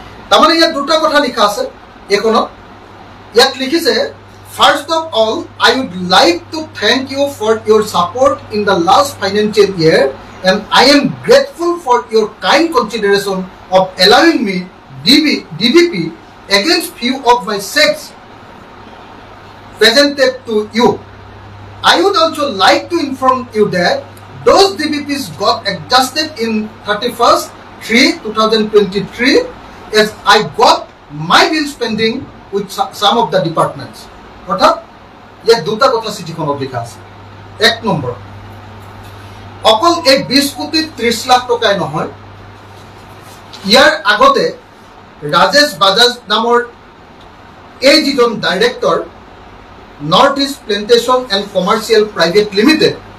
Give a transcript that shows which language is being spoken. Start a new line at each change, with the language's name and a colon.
Assamese: তাৰমানে ইয়াত দুটা কথা লিখা আছে, এখনত ইয়াত লিখিছে
English: First of all I would like to thank you for your support in the last financial year and I am grateful for your kind consideration of allowing me DVP against few of my sects presented to you. I would also like to inform you that those DVPs got adjusted in 31st 3 2023 as I got my bills pending with some of the departments.
Assamese: অর্থাৎ ইয়াত দুটা কথা চিঠিখনত লিখা আছে। এক number, অকল এই 20 কোটি 30 লাখ টকাই নহয়, ইয়াৰ আগতে ৰাজেশ বাজাজ নামৰ এই যিজন director north east plantation and commercial private limited,